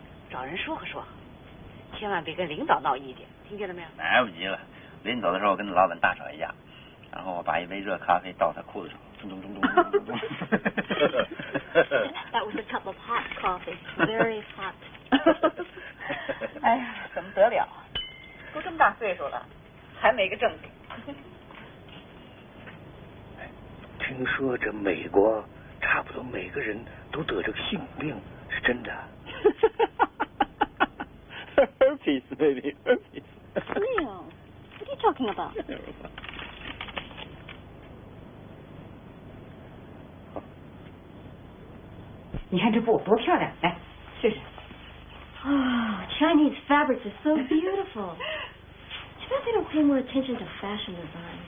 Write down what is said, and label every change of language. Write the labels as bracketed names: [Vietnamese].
[Chinese] 找人说和说，千万别跟领导闹意见，听见了没有？来不及了，临走的时候我跟老板大吵一架，然后我把一杯热咖啡倒在裤子上，咚咚咚咚咚咚咚。 [English] That was a cup of hot coffee, very hot. [Chinese] 哎呀，怎么得了啊？都这么大岁数了还没个正经。听说这美国差不多每个人都得这个性病，是真的？哈 [English] 哈哈哈哈 ！Herpes, baby, herpes. Neil, what are you talking about? [Chinese] 你看这布多漂亮，来试试。 [English] Oh, Chinese fabrics are so beautiful. I bet they don't pay more attention to fashion design.